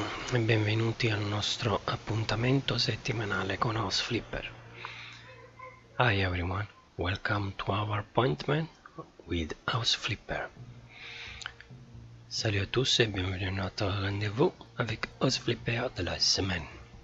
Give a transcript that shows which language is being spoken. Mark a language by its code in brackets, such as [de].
[it] Benvenuti al nostro appuntamento settimanale con House Flipper. [en] Hi everyone, welcome to our appointment with House Flipper. [fr] Salut à tous et bienvenue à notre rendez-vous avec House Flipper de la semaine.